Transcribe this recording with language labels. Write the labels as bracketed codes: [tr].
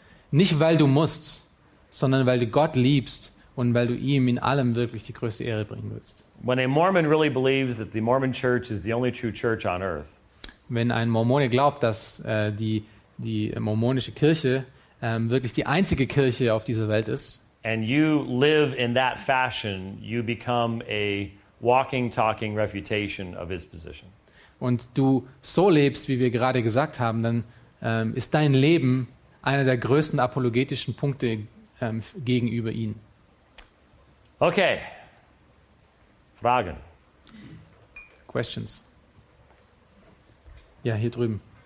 [de] Nicht, weil du musst, sondern weil du Gott liebst und weil du ihm in allem wirklich die größte Ehre bringen willst. [en] When a Mormon really believes that the Mormon Church is the only true church on earth. [de] Wenn ein Mormone glaubt, dass die mormonische Kirche wirklich die einzige Kirche auf dieser Welt ist. [en] And you live in that fashion, you become a walking, talking refutation of his position. [de] Und du so lebst, wie wir gerade gesagt haben, dann ist dein Leben einer der größten apologetischen Punkte gegenüber ihm. Okay. Fragen. [en] Questions. [de] Ja, hier drüben.